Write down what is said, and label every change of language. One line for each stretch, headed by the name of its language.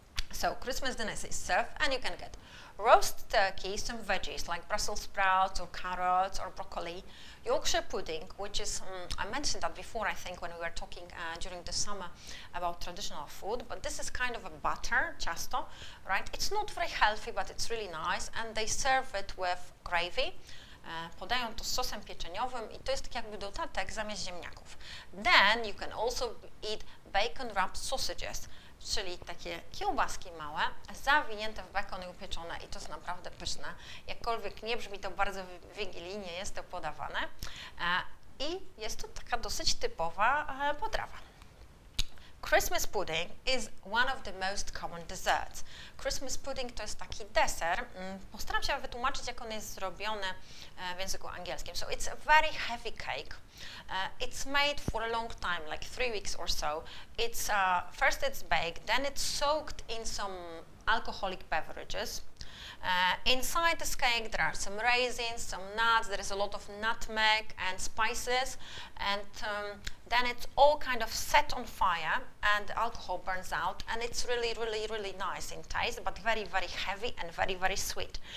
English: So Christmas dinner is served, and you can get roast turkey, some veggies like Brussels sprouts or carrots or broccoli, Yorkshire pudding, which is, I mentioned that before, I think, when we were talking during the summer about traditional food, but this is kind of a butter, ciasto, right? It's not very healthy, but it's really nice, and they serve it with gravy.
Polish: Podają to z sosem pieczeniowym i to jest tak jakby dodatek zamiast ziemniaków.
English: Then you can also eat bacon-wrapped sausages,
Polish: czyli takie kiełbaski małe, zawinięte w bekon i upieczone, i to jest naprawdę pyszne. Jakkolwiek nie brzmi to bardzo wigilijnie, jest to podawane. I jest to taka dosyć typowa potrawa.
English: Christmas pudding is one of the most common desserts.
Polish: Christmas pudding to jest taki deser. Postaram się wytłumaczyć, jak on jest zrobiony w języku angielskim.
English: So it's a very heavy cake. It's made for a long time, like 3 weeks or so. It's first it's baked, then it's soaked in some alcoholic beverages. Inside this cake there are some raisins, some nuts, there is a lot of nutmeg and spices, and then it's all kind of set on fire and the alcohol burns out, and it's really, really, really nice in taste, but very, very heavy and very, very sweet.